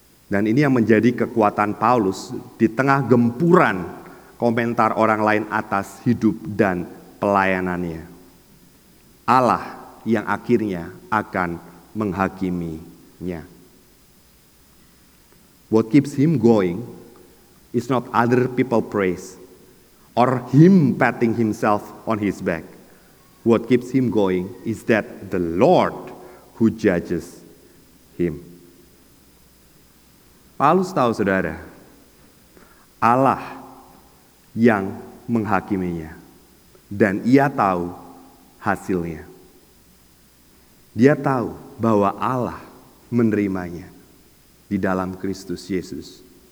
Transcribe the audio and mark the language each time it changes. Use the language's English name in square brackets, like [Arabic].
[Indonesian] Dan ini yang menjadi kekuatan Paulus di tengah gempuran komentar orang lain atas hidup dan pelayanannya. Allah yang akhirnya akan menghakiminya. [English] What keeps him going is not other people praise or him patting himself on his back. What keeps him going is that the Lord who judges him. [Indonesian] Paulus tahu, saudara, Allah yang menghakiminya, dan ia tahu hasilnya. Dia tahu bahwa Allah menerimanya di dalam Kristus Yesus.